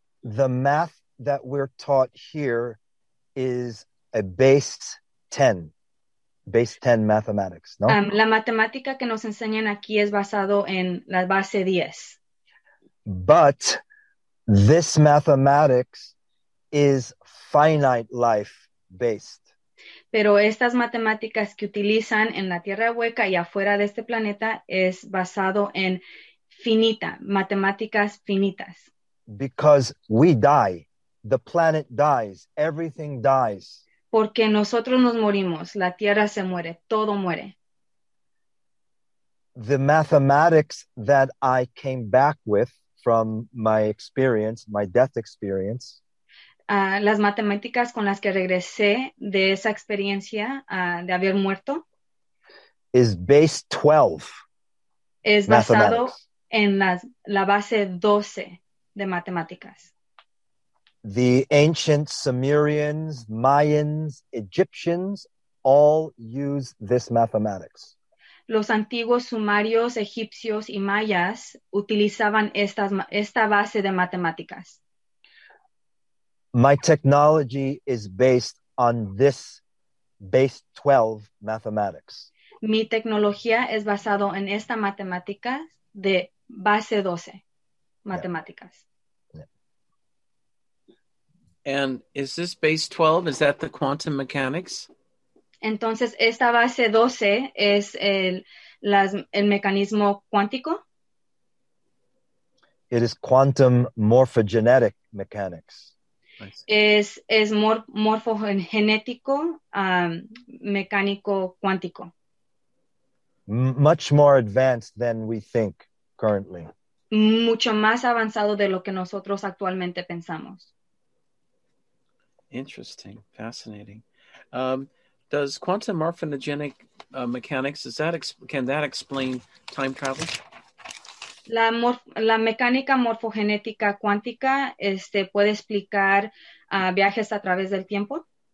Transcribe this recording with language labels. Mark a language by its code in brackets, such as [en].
[en] The math that we're taught here is a base 10 mathematics, no? [es] La matemática que nos enseñan aquí es basado en la base 10. [en] But this mathematics is finite life based. [es] Pero estas matemáticas que utilizan en la Tierra hueca y afuera de este planeta es basado en matemáticas finitas. [en] Because we die. The planet dies. Everything dies. [es] Porque nosotros nos morimos. La Tierra se muere. Todo muere. [en] The mathematics that I came back with from my experience, my death experience. [es] Las matemáticas con las que regresé de esa experiencia de haber muerto. [en] Is base 12. [es] Es basado en la base 12 de matemáticas. [en] The ancient Sumerians, Mayans, Egyptians all use this mathematics. [es] Los antiguos sumerios, egipcios y mayas utilizaban esta base de matemáticas. [en] My technology is based on this base 12 mathematics. [es] Mi tecnología es basado en esta matemática de base 12 matemáticas. [en] Yeah. And is this base 12, is that the quantum mechanics? [es] Entonces, esta base 12 es el mecanismo cuántico? [en] It is quantum morphogenetic mechanics. [es] Es morfogenético mecánico cuántico. [en] Much more advanced than we think currently. [es] Mucho más avanzado de lo que nosotros actualmente pensamos. [en] Interesting, fascinating. Does quantum morphogenic mechanics, can that explain time travel? [es] La mecánica morfogenética cuántica puede explicar viajes a través del tiempo?